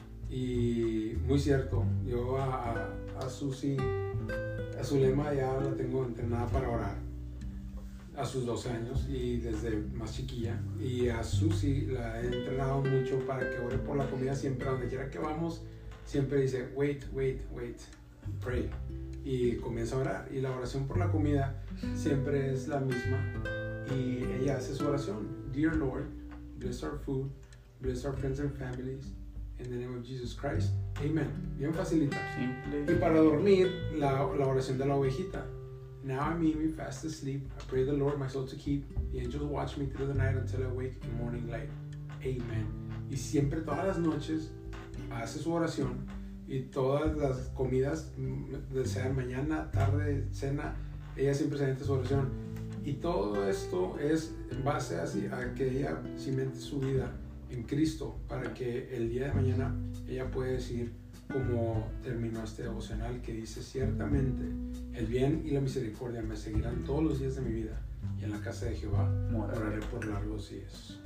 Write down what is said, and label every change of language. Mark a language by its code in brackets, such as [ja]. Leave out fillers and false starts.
[es] Y muy cierto, yo a Susi, a Zulema ya la tengo entrenada para orar a sus 12 años y desde más chiquilla. Y a Susi la he entrenado mucho para que ore por la comida siempre, donde quiera que vamos, siempre dice, [en] wait, pray. [es] Y comienza a orar. Y la oración por la comida siempre es la misma. Y ella hace su oración. [en] Dear Lord, bless our food, bless our friends and families, in the name of Jesus Christ. [es] Amen. Bien facilita. Simple. Y para dormir, la oración de la ovejita. [en] Now I'm in my fast asleep. I pray the Lord my soul to keep. The angels watch me through the night until I wake in morning light. Amen. [es] Y siempre, todas las noches, hace su oración. Y todas las comidas, sea mañana, tarde, cena, ella siempre se mete su oración. Y todo esto es en base así, a que ella cimente su vida en Cristo, para que el día de mañana ella pueda decir, como terminó este devocional, que dice, ciertamente, el bien y la misericordia me seguirán todos los días de mi vida, y en la casa de Jehová moraré por largos días.